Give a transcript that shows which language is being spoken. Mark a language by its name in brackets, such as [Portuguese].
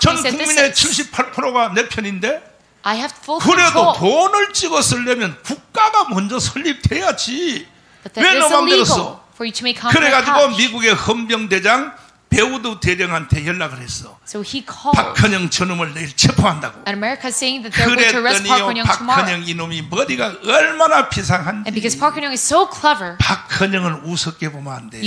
[Korean] 전 국민의 78%가 내 편인데 [English] I have full [Korean] 그래도 [English] control. [Korean] 돈을 찍어 쓰려면 국가가 먼저 설립돼야지 왜 너 맘대로 써? 그래가지고 미국의 헌병대장 배우드 대령한테 연락을 했어 [English] so he called, [Korean] 박헌영 저놈을 내일 체포한다고 [English] and America's saying that they're going to arrest Park Hyung tomorrow. [Korean] 박헌영 이놈이 머리가 얼마나 비상한지 [English] and because Park Hyung is so clever, [Korean] 박헌영을 우습게 보면 안 돼요